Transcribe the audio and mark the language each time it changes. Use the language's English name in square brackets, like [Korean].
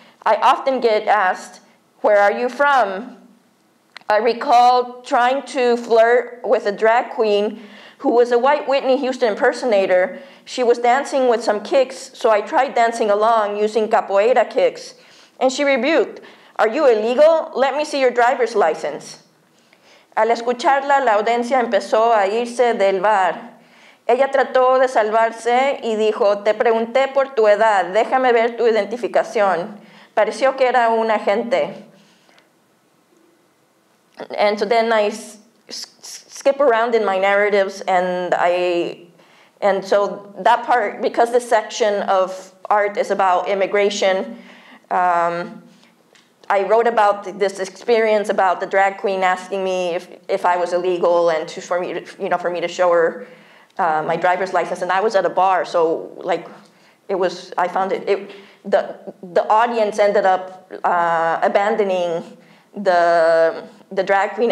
[English] I often get asked, 'Where are you from?' I recall trying to flirt with a drag queen who was a white Whitney Houston impersonator. She was dancing with some kicks, so I tried dancing along using capoeira kicks. And she rebuked, Are you illegal? Let me see your driver's license. [Spanish] Al escucharla, la audiencia empezó a irse del bar. Ella trató de salvarse y dijo, te pregunté por tu edad, déjame ver tu identificación. Pareció que era un agente. [English] And so then I skip around in my narratives and so that part, because this section of art is about immigration, I wrote about this experience about the drag queen asking me if I was illegal and to, for me to, you know, for me to show her my driver's license, and I was at a bar, so like, it was, I found it, it the audience ended up abandoning the drag queen.